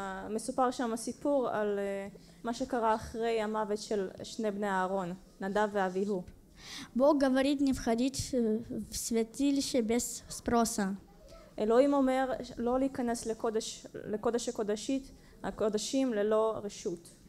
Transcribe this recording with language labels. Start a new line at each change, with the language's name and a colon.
Hebrew: מסופר שם הסיפור על מה שקרה אחרי המוות של שני בני אהרון, נדב ואביהו.
Russian: Бог говорит не входить в святилище без спроса.
Hebrew: אלוהים אומר לא להיכנס לקודש הקודשים ללא רשות.